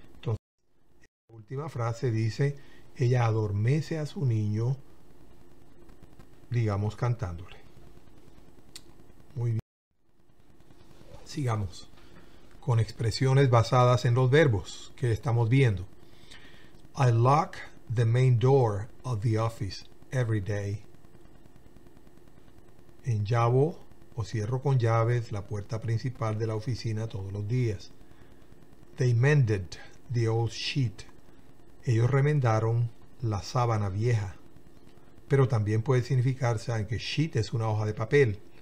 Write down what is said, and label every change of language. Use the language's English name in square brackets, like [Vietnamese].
[Spanish] Entonces, en la última frase dice, ella adormece a su niño, digamos, cantándole. Muy bien. Sigamos con expresiones basadas en los verbos que estamos viendo. [English] I lock the main door of the office every day. [Spanish] Enllavo o cierro con llaves la puerta principal de la oficina todos los días. [English] They mended the old sheet. [Spanish] Ellos remendaron la sábana vieja. Pero también puede significarse, aunque sheet es una hoja de papel.